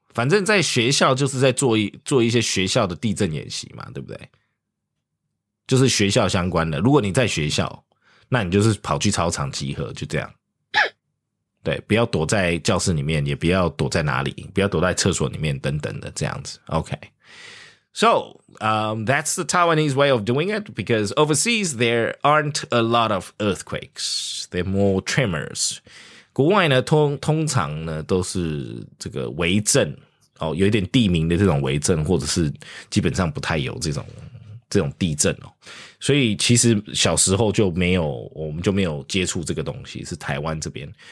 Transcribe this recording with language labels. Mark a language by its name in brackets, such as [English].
[Chinese] 反正在学校就是在做一些学校的地震演习嘛，对不对？就是学校相关的。如果你在学校，那你就是跑去操场集合，就这样。对，不要躲在教室里面，也不要躲在哪里，不要躲在厕所里面等等的这样子。 [English] OK, so that's the Taiwanese way of doing it because overseas there aren't a lot of earthquakes, they're more tremors. [Chinese] 国外呢通常呢都是这个微震、哦、有一点地名的这种微震，或者是基本上不太有这种地震、哦、所以其实小时候就没有，我们就没有接触这个东西，是台湾这边。